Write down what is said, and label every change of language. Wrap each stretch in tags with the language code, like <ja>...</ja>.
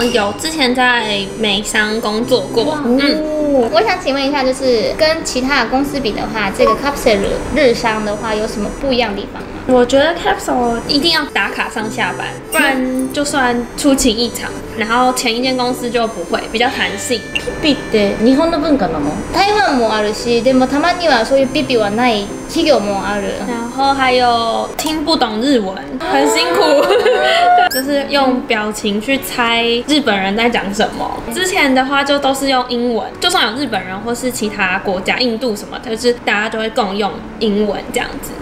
<zh>有，之前在美商工作过。我想请问一下，就是跟其他的公司比的话，这个 Capsule 日商的话有什么不一样的地方？我觉得 Capsule 一定要打卡上下班，不然就算出勤异常，然后前一间公司就不会，比较弹性。</zh> <ja>ピピって日本の文化なの？台湾もあるし、でもたまにはそういうピピはない企業もある。</ja> <zh>然后还有听不懂日文，很辛苦，就是用表情去猜日本人在讲什么。之前的话就都是用英文，就算有日本人或是其他国家，印度什么，就是大家就会共用英文这样子。</zh>